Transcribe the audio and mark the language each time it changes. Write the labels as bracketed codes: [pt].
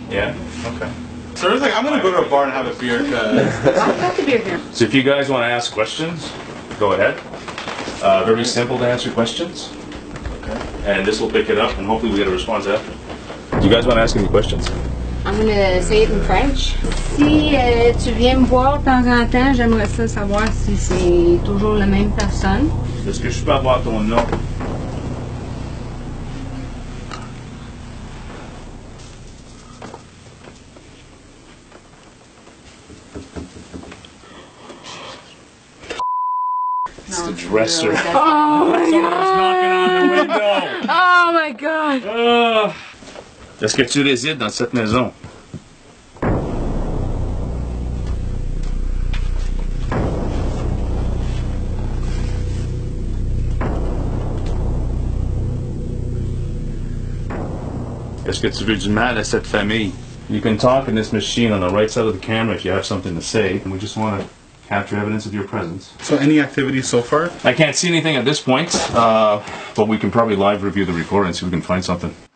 [en] Yeah? Okay. So I was like, I'm going to go to a bar and have a beer. I've got the beer here. So if you guys want to ask questions, go ahead. Very simple to answer questions. And this will pick it up, and hopefully we get a response after. Do you guys want to ask any questions? I'm going to say it in French. [fr] Si tu viens me voir de temps en temps, j'aimerais ça savoir si c'est toujours la même personne. Est-ce que je peux avoir ton nom? [en] It's the dresser. Oh my god! Someone's knocking on the window! Oh my god! [fr] Est-ce que tu résides dans cette maison? Est-ce que tu veux du mal à cette famille? [en] You can talk in this machine on the right side of the camera if you have something to say, and we just want to capture evidence of your presence. So any activity so far? I can't see anything at this point, but we can probably live review the recording and see if we can find something.